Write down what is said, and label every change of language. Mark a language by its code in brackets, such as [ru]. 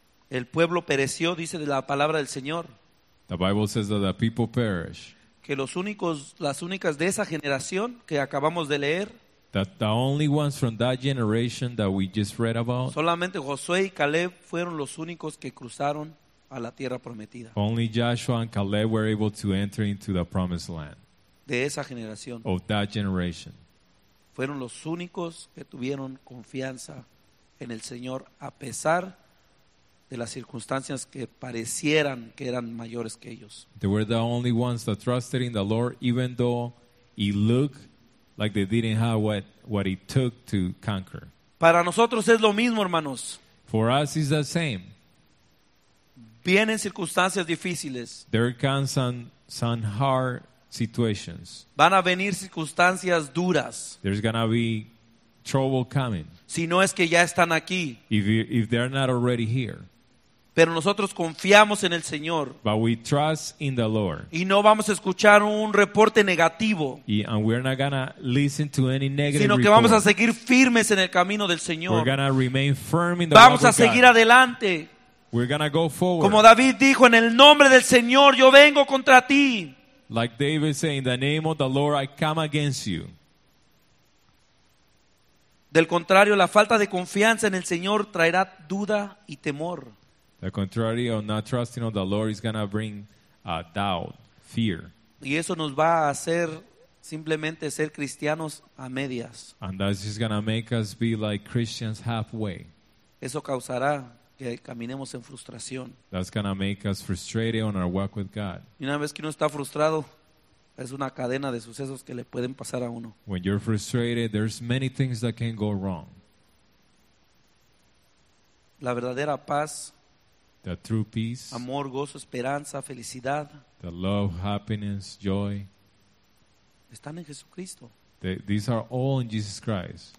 [es] El pueblo pereció, dice la palabra del Señor. [en] The Bible says that the people perish. [es] Que las únicas de esa generación que acabamos de leer. [en] That the only ones from that generation that we just read about. [es] Solamente Josué y Caleb fueron los únicos que cruzaron. A la tierra prometida. [en] Only Joshua and Caleb were able to enter into the promised land. [es] De esa generación. [en] Of that generation. [es] Fueron los únicos que tuvieron confianza en el Señor a pesar de las circunstancias que parecieran que eran mayores que ellos. [en] They were the only ones that trusted in the Lord even though it looked like they didn't have what it took to conquer. [es] Para nosotros es lo mismo, hermanos. [en] For us it's the same. [es] Vienen circunstancias difíciles. [en] There can some hard situations. [es] Van a venir circunstancias duras. [en] There's gonna be trouble coming. [es] Si no es que ya están aquí. [en] If they're not already here. [es] Pero nosotros confiamos en el Señor. [en] But we trust in the Lord. [es] Y no vamos a escuchar un reporte negativo. [en] And we're not gonna listen to any negative [es] sino que [en] report. [es] Vamos a seguir firmes en el camino del Señor. [en] We're gonna remain firm in the [es] vamos [en] word [es] a seguir [en] God. [es] Adelante. [en] We're gonna go forward. [es] Como David dijo, en el nombre del Señor, yo vengo contra ti. [en] Like David said, in the name of the Lord, I come against you. [es] Del contrario, la falta de confianza en el Señor traerá duda y temor. [en] The contrary of not trusting of the Lord is gonna bring doubt, fear. [es] Y eso nos va a hacer simplemente ser cristianos a medias. [en] And that's just gonna make us be like Christians halfway. [es] Eso causará que caminemos en frustración. [en] That's gonna make us frustrated on our walk with God. [es] Y una vez que uno está frustrado, es una cadena de sucesos que le pueden pasar a uno. [en] When you're frustrated, there's many things that can go wrong. [es] La verdadera paz, [en] the true peace, [es] amor, gozo, esperanza, felicidad, [en] the love, happiness, joy, [es] están en Jesucristo. [en] These are all in Jesus Christ.